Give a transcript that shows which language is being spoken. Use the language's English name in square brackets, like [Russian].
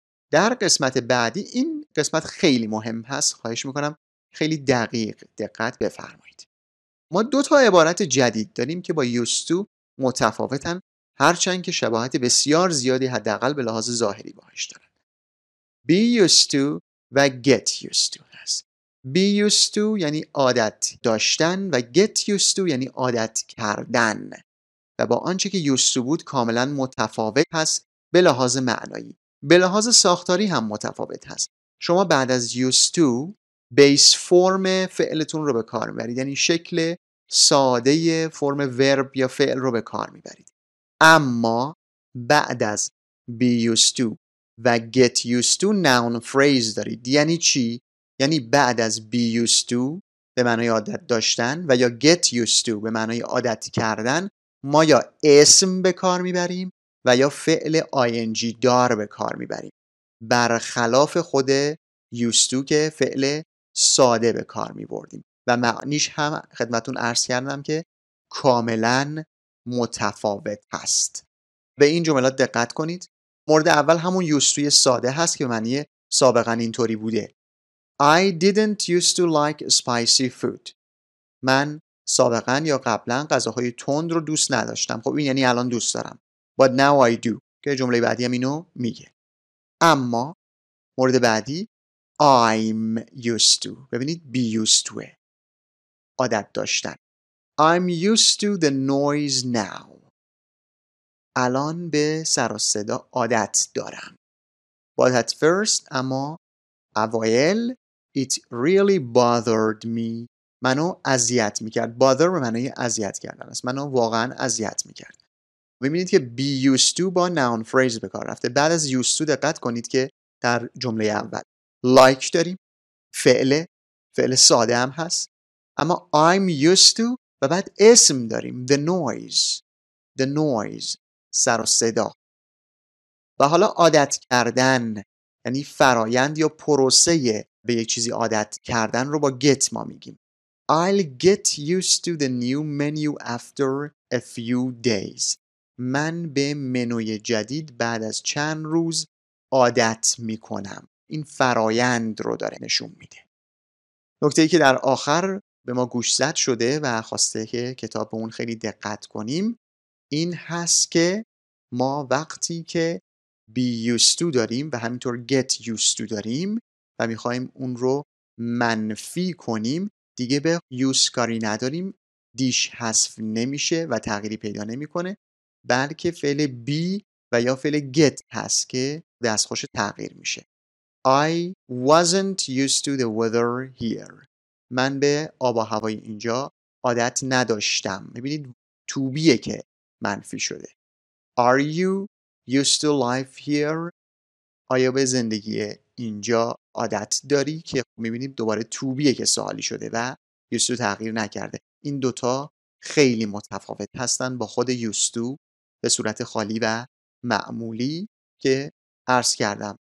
[Persian] در قسمت بعدی، این قسمت خیلی مهم هست، خواهش میکنم خیلی دقیق دقت بفرمایید. ما دو تا عبارت جدید داریم که با used to متفاوتن، هرچند که شباهت بسیار زیادی حداقل به لحاظ ظاهری باهاش دارن. be used to و get used to هست. be used to یعنی عادت داشتن و get used to یعنی عادت کردن و با آنچه که used to بود کاملا متفاوت هست به لحاظ معنایی. به لحاظ ساختاری هم متفاوت هست. شما بعد از used to بیس فرم فعلتون رو به کار میبرید، یعنی شکل ساده فرم ورب یا فعل رو به کار میبرید. اما بعد از be used to و get used to noun phrase دارید. یعنی چی؟ یعنی بعد از be used to به معنای عادت داشتن و یا get used to به معنای عادت کردن، ما یا اسم به کار میبریم و یا فعل ing دار به کار میبریم، برخلاف خود used to که فعل ساده به کار می بردیم و معنیش هم خدمتون عرض کردم که کاملا متفاوت هست. به این جملات دقت کنید. مورد اول همون used to ساده هست که معنی سابقا اینطوری بوده. [English] I didn't used to like spicy food. [Persian] من سابقا یا قبلا غذاهای تند رو دوست نداشتم. خب این یعنی الان دوست دارم. [English] But now I do [Persian] که جمله بعدی هم اینو میگه. اما مورد بعدی I'm used to. ببینید be used to. عادت داشتن. [English] I'm used to the noise now. [Persian] الان به سر و صدا عادت دارم. [English] But at first, [Persian] اما اوایل [English] it really bothered me. [Persian] منو اذیت میکرد. Bother به معنی اذیت کردن است. منو واقعا اذیت میکرد. ببینید که be used to با noun phrase به کار رفته. بعد از used to دقت کنید که در جمله اول like داریم، فعل ساده هم هست، اما I'm used to و بعد اسم داریم the noise سر و صدا. و حالا عادت کردن یعنی فرایند یا پروسه به یک چیزی عادت کردن رو با get ما میگیم. [English] I'll get used to the new menu after a few days. [Persian] من به منوی جدید بعد از چند روز عادت میکنم. این فرایند رو داره نشون میده. نکته ای که در آخر به ما گوش زد شده و خواسته که کتاب اون خیلی دقت کنیم این هست که ما وقتی که be used to داریم و همینطور get used to داریم و میخواییم اون رو منفی کنیم، دیگه به use کاری نداریم، دیش حذف نمیشه و تغییری پیدا نمیکنه، بلکه فعل be و یا فعل get هست که دستخوش تغییر میشه. [English] I wasn't used to the weather here. [Persian] من به آب و هوای اینجا عادت نداشتم. میبینید توبیه که منفی شده. [English] Are you used to life here? [Persian] آیا به زندگی اینجا عادت داری؟ که میبینید دوباره توبیه که سوالی شده و used to تغییر نکرده. این دوتا خیلی متفاوت هستن با خود used to به صورت خالی و معمولی که عرض کردم.